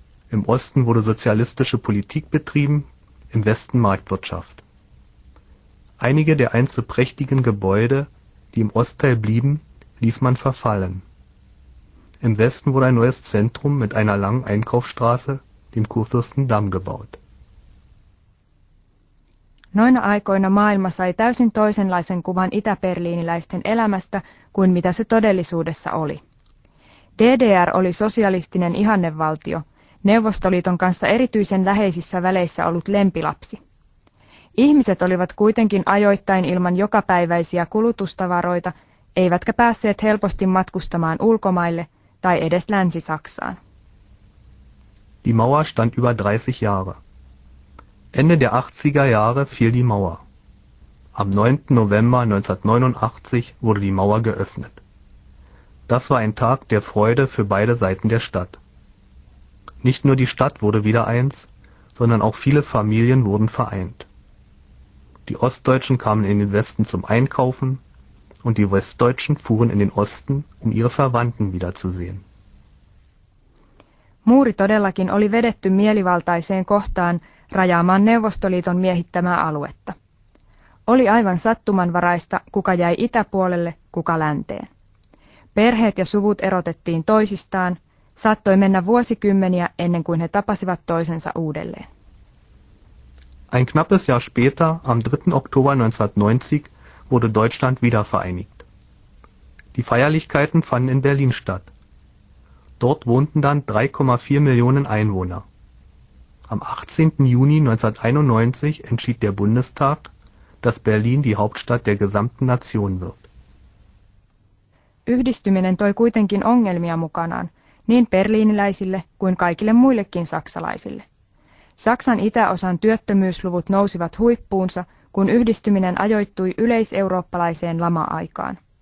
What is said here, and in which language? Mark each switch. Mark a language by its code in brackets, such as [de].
[de] Im Osten wurde sozialistische Politik betrieben, im Westen Marktwirtschaft. Einige der einst so prächtigen Gebäude, die im Ostteil blieben, ließ man verfallen. Im Westen wurde ein neues Zentrum mit einer langen Einkaufsstraße, dem Kurfürstendamm, gebaut. [fi] Noina aikoina maailma sai täysin toisenlaisen kuvan itäberliiniläisten elämästä kuin mitä se todellisuudessa oli. DDR oli sosialistinen ihannevaltio, Neuvostoliiton kanssa erityisen läheisissä väleissä ollut lempilapsi. Ihmiset olivat kuitenkin ajoittain ilman jokapäiväisiä kulutustavaroita, eivätkä päässeet helposti matkustamaan ulkomaille tai edes Länsi-Saksaan. [de] Die Mauer stand über 30 Jahre. Ende der 80er Jahre fiel die Mauer. Am 9. November 1989 wurde die Mauer geöffnet. Das war ein Tag der Freude für beide Seiten der Stadt. Nicht nur die Stadt wurde wieder eins, sondern auch viele Familien wurden vereint. Die Ostdeutschen kamen in den Westen zum Einkaufen und die Westdeutschen fuhren in den Osten, um ihre Verwandten wiederzusehen. [fi] Muuri todellakin oli vedetty mielivaltaiseen kohtaan rajaamaan Neuvostoliiton miehittämää aluetta. Oli aivan sattumanvaraista, kuka jäi itäpuolelle, kuka länteen. Perheet ja suvut erotettiin toisistaan, saattoi mennä vuosikymmeniä ennen kuin he tapasivat toisensa uudelleen. [de] Ein knappes Jahr später, am 3. Oktober 1990, wurde Deutschland wiedervereinigt. Die Feierlichkeiten fanden in Berlin statt. Dort wohnten dann 3,4 Millionen Einwohner. Am 18. Juni 1991 entschied der Bundestag, dass Berlin die Hauptstadt der gesamten Nation wird. [fi] Yhdistyminen toi kuitenkin ongelmia mukanaan, niin berliiniläisille kuin kaikille muillekin saksalaisille. Saksan itäosan työttömyysluvut nousivat huippuunsa, kun yhdistyminen ajoittui yleiseurooppalaiseen lama-aikaan.